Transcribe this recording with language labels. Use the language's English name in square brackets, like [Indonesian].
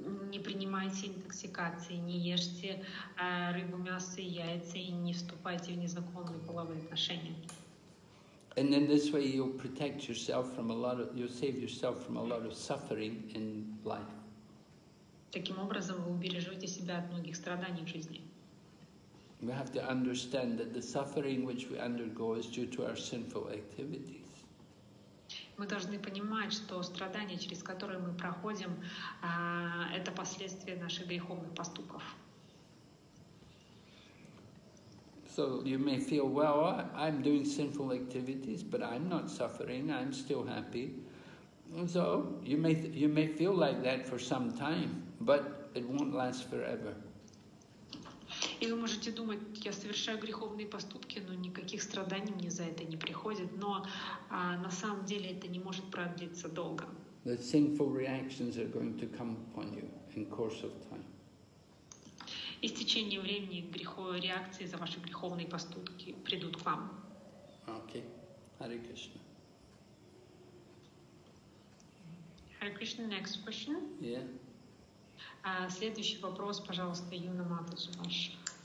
[Russian] не принимайте интоксикации, не ешьте рыбу, мясо и яйца, и не вступайте в незаконные половые отношения. [English] And then this way you'll protect yourself from a lot of, you'll save yourself from a lot of suffering in life. [Russian] Таким образом вы убережете себя от многих страданий в жизни. [English] We have to understand that the suffering which we undergo is due to our sinful activities. [Russian] Мы должны понимать, что страдания, через которые мы проходим, это последствия наших греховных поступков. [English] So you may feel, well, I'm doing sinful activities, but I'm not suffering, I'm still happy. And so you may feel like that for some time, but it won't last forever. [Russian] И вы можете думать, я совершаю греховные поступки, но никаких страданий мне за это не приходит. Но на самом деле это не может продлиться долго. [English] The sinful reactions are going to come upon you in course of time. [Russian] И с течением времени греховные реакции за ваши греховные поступки придут к вам. [English] Okay. Hare Krishna. Hare Krishna, next question. Yeah. [Russian] Следующий вопрос, пожалуйста, Юна Матаджи Маш.